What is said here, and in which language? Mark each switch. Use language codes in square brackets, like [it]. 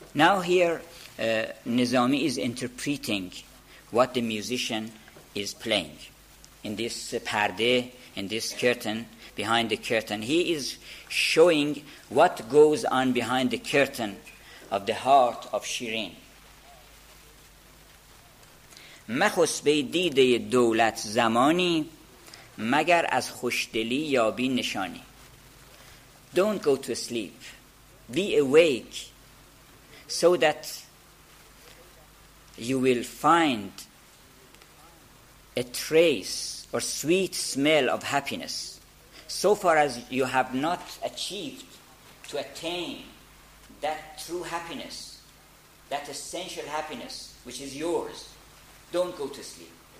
[en] Now here, Nizami is interpreting what the musician is playing in this parde, in this curtain, behind the curtain. He is showing what goes on behind the curtain of the heart of Shirin. [fa] مخسبه دیده دولت زمانی مگر از خوشدلی یابی نشانی. [en] Don't go to sleep. Be awake so that you will find a trace or sweet smell of happiness. So far as you have not achieved to attain that true happiness, that essential happiness which is yours, don't go to sleep.